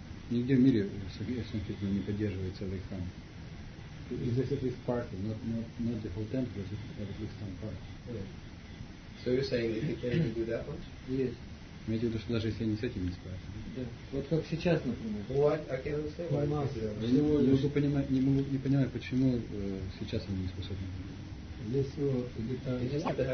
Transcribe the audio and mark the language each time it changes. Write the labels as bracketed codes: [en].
[ru] нигде в мире Санкт-Петербург не поддерживает целый храм. [en] Is this part? Not the whole temple, but at least some part. So you're saying that they can't even do that much? Yes. [ru] Даже если они с этим не справятся. Вот как сейчас, например. [en] What? I can't understand. [ru] Я не могу понимать, почему сейчас они не способны.